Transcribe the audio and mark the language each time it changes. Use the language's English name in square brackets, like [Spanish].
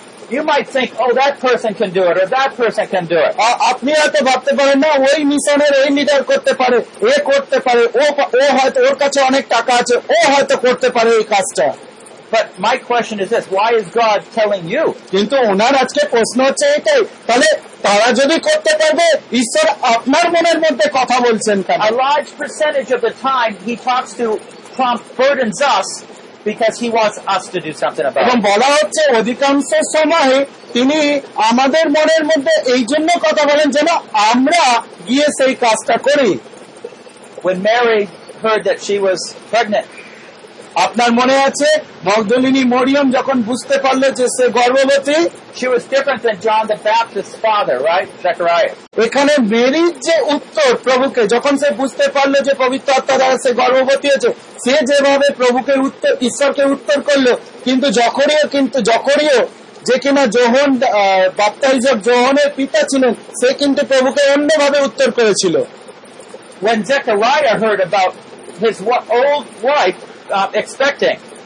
[English] You might think, oh, that person can do it, or that person can do it. [Bangla] আপনি হয়তো ভাবতে পারেন না ওই মিশনের এই লিডার করতে পারে এ করতে পারে ও হয়তো ওর কাছে অনেক টাকা আছে ও হয়তো করতে পারে এই কাজটা [English] But my question is this, why is God telling you? [Bangla] কিন্তু ওনার আজকে প্রশ্ন হচ্ছে এটাই তাহলে তারা যদি করতে পারবে ঈশ্বর আপনার মনের মধ্যে কথা বলছেন কেন [English] A large percentage of the time he talks to prompt burdens us because he wants us to do something about it. [Bangla] এবং বলা হচ্ছে অধিকাংশ সময় তিনি আমাদের মনের মধ্যে এই জন্য কথা বলেন যেন আমরা গিয়ে সেই কাজটা করি [English] When Mary heard that she was pregnant, [Bangla] আপনার মনে আছে মগদলিনী মরিয়ম যখন বুঝতে পারলো যে সে গর্ভবতী [English] She was different than John the Baptist's father, right? Zechariah. [Bangla] এখানে মেরির যে উত্তর প্রভুকে যখন সে বুঝতে পারলো যে পবিত্র আত্মা দ্বারা সে গর্ভবতী হয়েছে সে যেভাবে প্রভুকে উত্তর ঈশ্বরকে উত্তর করলো কিন্তু যখনিও যে কিনা জোহন বাপ্তাইজক জোহনের পিতা ছিলেন সে কিন্তু প্রভুকে অন্যভাবে উত্তর করেছিল [English] When Zechariah heard about his old wife expecting